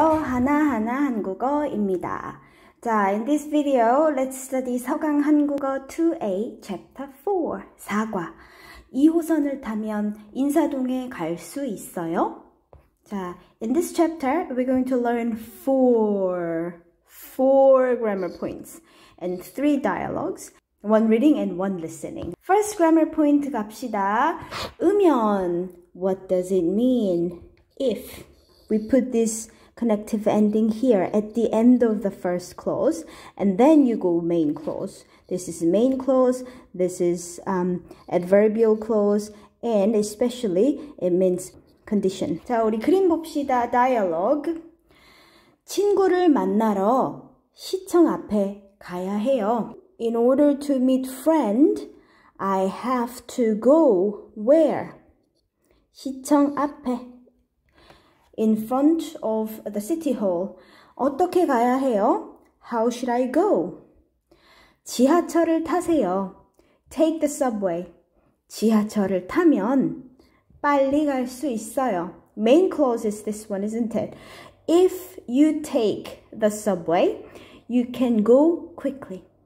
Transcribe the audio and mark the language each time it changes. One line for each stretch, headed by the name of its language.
Korean: 하나하나 한국어입니다.
English: 자, in this video, let's study 서강 한국어 2A, Chapter 4, 사과.
Korean: 2호선을 타면 인사동에 갈 수 있어요?
English: 자, in this chapter, we're going to learn four grammar points and three dialogues, one reading and one listening. First grammar point 갑시다. 음연, what does it mean if we put this connective ending here at the end of the first clause, and then you go main clause. This is main clause, this is adverbial clause, and especially it means condition.
Korean: 자, 우리 그림 봅시다. Dialogue. 친구를 만나러 시청 앞에 가야 해요.
English: In order to meet friend, I have to go where?
Korean: 시청 앞에.
English: In front of the city hall.
Korean: 어떻게 가야 해요?
English: How should I go?
Korean: 지하철을 타세요.
English: Take the subway.
Korean: 지하철을 타면 빨리 갈 수 있어요.
English: Main clause is this one, isn't it? If you take the subway, you can go quickly.